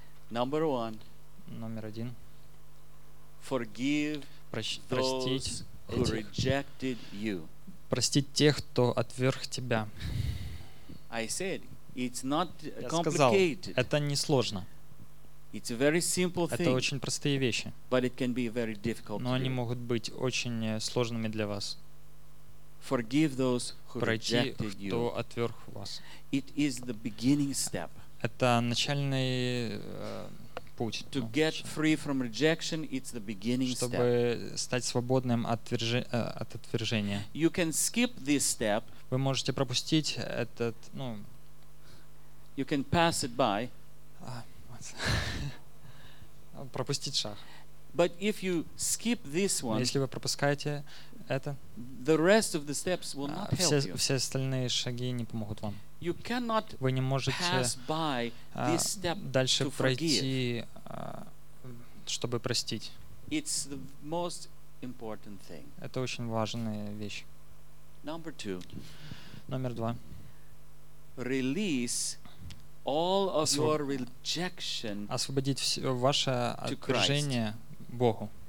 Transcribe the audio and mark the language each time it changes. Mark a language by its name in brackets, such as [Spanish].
[English] Number one. [Russian] Номер один. [English] Forgive [Russian] простить [English] those who rejected you. [Russian] Простить тех, кто отверг тебя. [English] I said it's not complicated. [Russian] Я сказал, это не сложно. [English] It's a very simple thing. [Russian] Это очень простые вещи. [English] But it can be very difficult. [Russian] Но они могут быть очень сложными для вас. [English] Forgive those who rejected you. [Russian] Прости, кто отверг вас. [English] It is the beginning step. [Russian] Это начальный путь. [English] To get free from rejection, it's the beginning step. [Russian] Чтобы стать свободным от отвержения. [English] You can skip this step. [Russian] Вы можете пропустить этот, ну. [English] You can pass it by. [Russian] Пропустить шаг. [English] But if you skip this one, [Russian] если вы пропускаете это, [English] the rest of the steps will not help you. [Russian] Все остальные шаги не помогут вам. [English] You cannot [Russian] вы не можете [English] pass by this step [Russian] дальше [English] to [Russian] пройти, [English] forgive. [Russian] Чтобы простить. [English] It's the most important thing. [Russian] Это очень важная вещь. [English] Number two. [Russian] Номер два. [English] Release all of your rejection [Russian] освободить все ваше отвержение Богу.